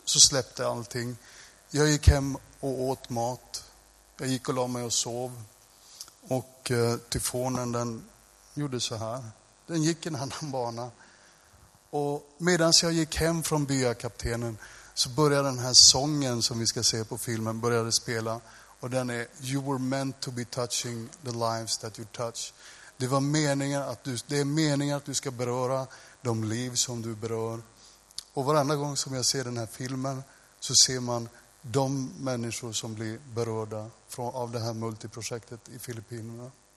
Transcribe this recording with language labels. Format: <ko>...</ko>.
<sv>Så släppte allting. Jag gick hem och åt mat. Jag gick och la mig och sov. Och tyfonen, den gjorde så här. Den gick en annan bana. Och medan jag gick hem från byakaptenen så började den här sången som vi ska se på filmen började spela. Och den är,</sv> <en>you were meant to be touching the lives that you touch.</en> <sv>Det var meningen att du, det är meningen att du ska beröra de liv som du berör. Och varenda gång som jag ser den här filmen så ser man de människor som blir berörda från, av det här multiprojektet i Filippinerna.</sv>